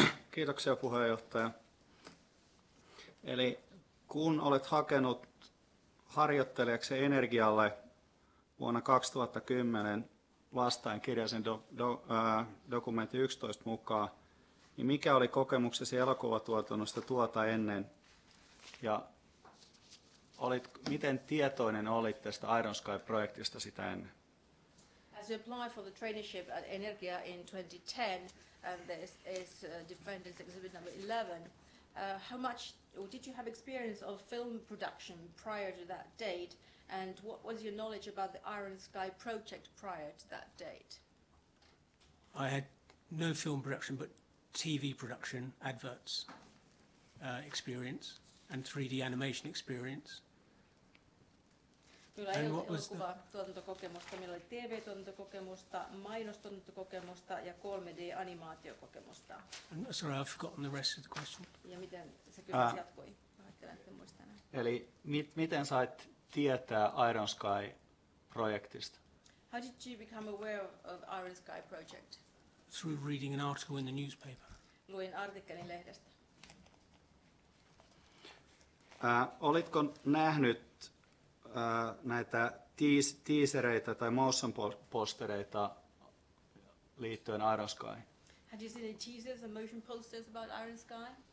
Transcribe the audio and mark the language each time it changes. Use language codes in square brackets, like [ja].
[fi] Kiitoksia puheenjohtaja. Eli kun olet hakenut harjoittelijaksi energialle vuonna 2010 vastaan kirjaisen dokumentin 11 mukaan, niin mikä oli kokemuksesi elokuvatuotannosta tuota ennen? Ja miten tietoinen olit tästä Iron Sky-projektista sitä ennen? [en] As you apply for the traineeship at Energia in 2010, and this is defendant's exhibit number 11, how much did you have experience of film production prior to that date, and what was your knowledge about the Iron Sky project prior to that date? I had no film production, but TV production, adverts experience, and 3D animation experience. [fi] Kyllä, [en] and what was [fi] elokuva tuotantokokemusta, meillä oli TV-tuotantokokemusta, mainostuotantokokemusta ja 3D-animaatiokokemusta. [en] And, sorry, I've forgotten the rest of the question. [fi] Ja miten se kysymys jatkui? Ajattelen, että muistan. Eli miten sait tietää Iron Sky-projektista? [en] How did you become aware of Iron Sky project? Through reading an article in the newspaper. [fi] Luin artikkelin lehdestä. Olitko nähnyt näitä teasereita tai motion postereita liittyen Iron Sky? [en] Had you seen any teasers or motion posters about Iron Sky?